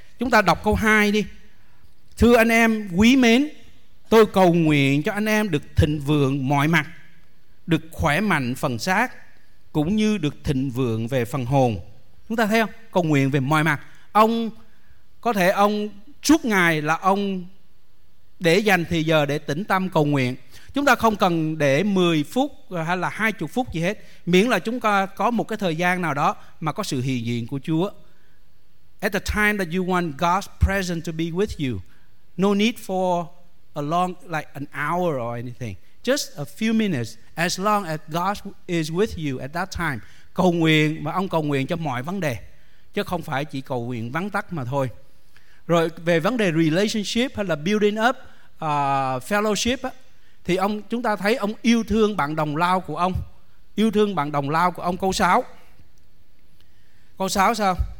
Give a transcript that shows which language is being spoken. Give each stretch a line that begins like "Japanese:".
Vietnamese: Chúng ta đọc câu 2 đi. Thưa anh em quý mến, tôi cầu nguyện cho anh em được thịnh vượng mọi mặt, được khỏe mạnh phần xác cũng như được thịnh vượng về phần hồn. Chúng ta thấy không? Cầu nguyện về mọi mặt. Ông có thể ông suốt ngày là ông để dành thì giờ để tĩnh tâm cầu nguyện. Chúng ta không cần để 10 phút hay là 20 phút gì hết, miễn là chúng ta có một cái thời gian nào đó mà có sự hiện diện của Chúa.
English: At the time that you want God's presence to be with you, no need for a long, like an hour or anything, just a few minutes, as long as God is with you at that time.
Vietnamese: Cầu nguyện, mà ông cầu nguyện cho mọi vấn đề, chứ không phải chỉ cầu nguyện vắn tắt mà thôi. Rồi về vấn đề relationship hay là
English: building up fellowship
Vietnamese: á, thì ông, chúng ta thấy ông yêu thương bạn đồng lao của ông. Yêu thương bạn đồng lao của ông. Câu 6. Câu 6 sao?